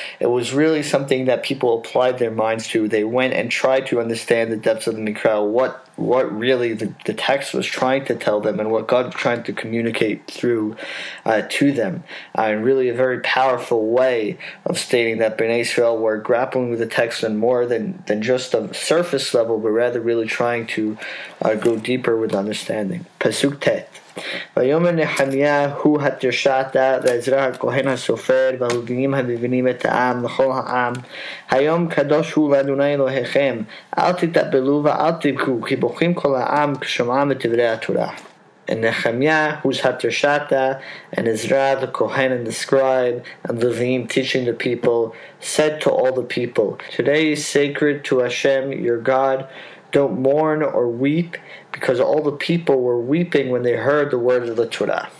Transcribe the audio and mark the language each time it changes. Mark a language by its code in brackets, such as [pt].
[en] It was really something that people applied their minds to. They went and tried to understand the depths of the mikra, what really the text was trying to tell them and what God was trying to communicate through to them. And really a very powerful way of stating that B'nai Israel were grappling with the text and more than just a surface level, but rather really trying to go deeper with understanding. Pasuk Tet. [he] ויאמר נחמיה הוא התרשעת ועזרא הכהן הסופר והלווינים המבינים את העם לכל העם היום קדוש הוא לאדוני אלוהיכם אל תתאבלו ואל תבכו כי בוכים כל העם כשומעם את דברי התורה. [en] And Nehemiah, who's Hatershata, and Ezra, the Kohen and the scribe, and Levim, teaching the people, said to all the people, today is sacred to Hashem, your God. Don't mourn or weep, because all the people were weeping when they heard the words of the Torah.